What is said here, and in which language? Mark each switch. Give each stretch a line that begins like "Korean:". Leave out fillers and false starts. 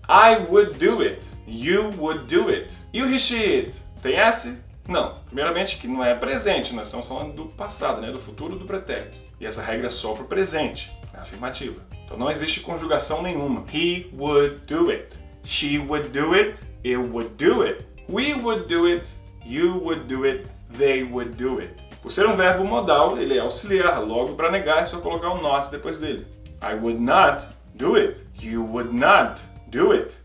English: I would do it, you would do it.
Portuguese: E o
English: he, she, it?
Portuguese: Tem S? Não. Primeiramente que não é presente, nós estamos falando do passado, né? Do futuro do pretérito. E essa regra é só para o presente, é afirmativa. Então não existe conjugação nenhuma.
English: He would do it, she would do it, you would do it. We would do it, you would do it, they would do it.
Portuguese: Por ser um verbo modal, ele é auxiliar, logo para negar é só colocar um not depois dele.
English: I would not do it. You would not do it.